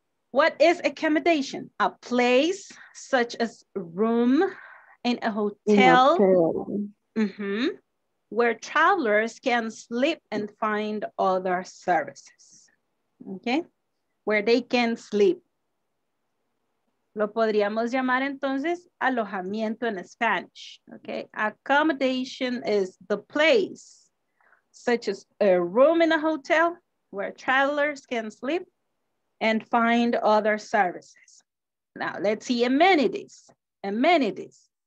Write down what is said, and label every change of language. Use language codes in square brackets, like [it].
[en] What is accommodation? A place such as room in a hotel. Mm-hmm. Where travelers can sleep and find other services, okay? Where they can sleep. [es] Lo podríamos llamar entonces alojamiento en Spanish, okay? [en] Accommodation is the place, such as a room in a hotel where travelers can sleep and find other services. Now let's see amenities, amenities.